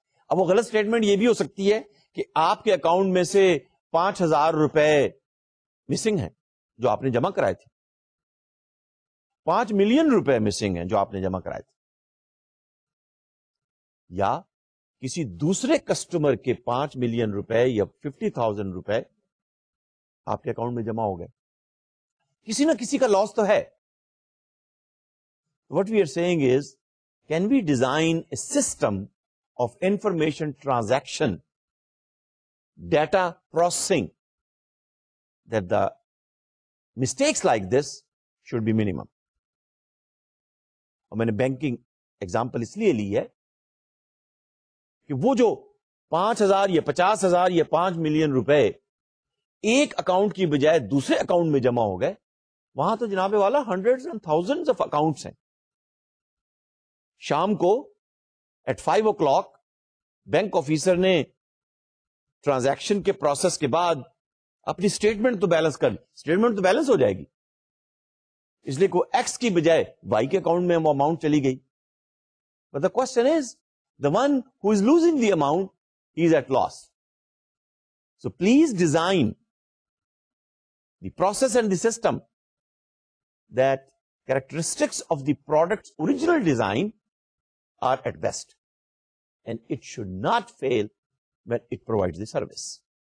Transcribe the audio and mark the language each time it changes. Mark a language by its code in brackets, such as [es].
[ur] اب وہ غلط سٹیٹمنٹ یہ بھی ہو سکتی ہے کہ آپ کے اکاؤنٹ میں سے 5,000 روپے مسنگ ہیں جو آپ نے جمع کرائے تھے, 5,000,000 روپے مسنگ ہیں جو آپ نے جمع کرائے تھے, یا کسی دوسرے کسٹمر کے 5,000,000 روپے یا 50,000 روپے آپ کے اکاؤنٹ میں جمع ہو گئے. کسی نہ کسی کا لاس تو ہے. [en] What we are saying is, can we design a system of information transaction, data processing, that the mistakes like this should be minimum. [ur] اور میں نے بینکنگ ایگزامپل اس لیے لی ہے کہ وہ جو 5,000 یا 50,000 یا 5,000,000 روپے ایک اکاؤنٹ کی بجائے دوسرے اکاؤنٹ میں جمع ہو گئے, وہاں تو جناب والا [en] hundred and thousand of accounts [ur] ہیں. شام کو ایٹ 5:00 بینک آفیسر نے ٹرانزیکشن کے پروسیس کے بعد اپنی اسٹیٹمنٹ تو بیلنس کر, اسٹیٹمنٹ تو بیلنس ہو جائے گی, اس لیے کوئی ایکس کی بجائے وائی کے اکاؤنٹ میں وہ اماؤنٹ چلی گئی. [en] But the question is, the one who is losing the amount is at loss. So please design the process and the system that characteristics of the product original design are at best, and it should not fail when it provides the service.